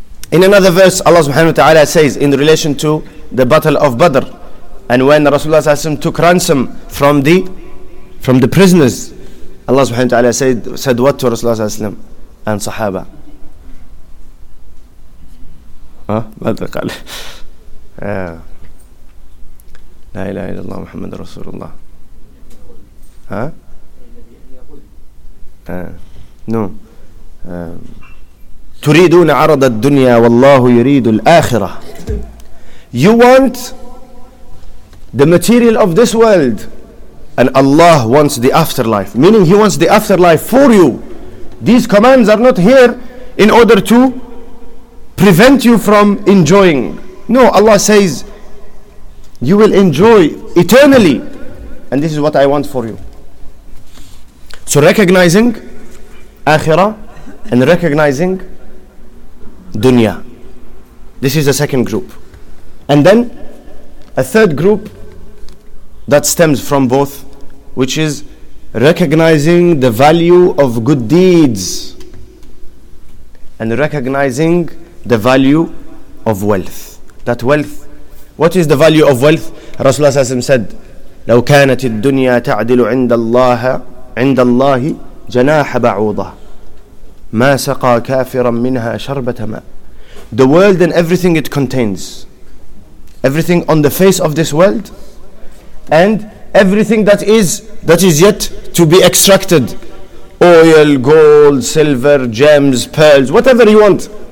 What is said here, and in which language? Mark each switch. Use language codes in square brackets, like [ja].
[en] In another verse, Allah subhanahu wa ta'ala says in relation to the battle of Badr, and when Rasulullah sallallahu alayhi wa sallam took ransom from the prisoners, Allah subhanahu wa ta'ala said what to Rasulullah sallallahu alayhi wa sallam and Sahaba? [ar] ماذا قال؟ لا إله إلا الله محمد رسول الله. نو. تريدون عرض الدنيا والله يريد الآخرة. [en] You want the material of this world, and Allah wants the afterlife. Meaning, He wants the afterlife for you. These commands are not here in order to prevent you from enjoying. No, Allah says you will enjoy eternally, and this is what I want for you. So recognizing Akhirah and recognizing Dunya, this is the second group. And then a third group that stems from both, which is recognizing the value of good deeds and recognizing the value of wealth. That wealth, what is the value of wealth? Rasulullah sallallahu alaihi wasallam said, [ar] لو كانت الدنيا تعدل عند الله جناح بعوضة ما سقى كافرا منها شربة ماء. [en] The world and everything it contains, everything on the face of this world and everything that is yet to be extracted, oil, gold, silver, gems, pearls, whatever you want,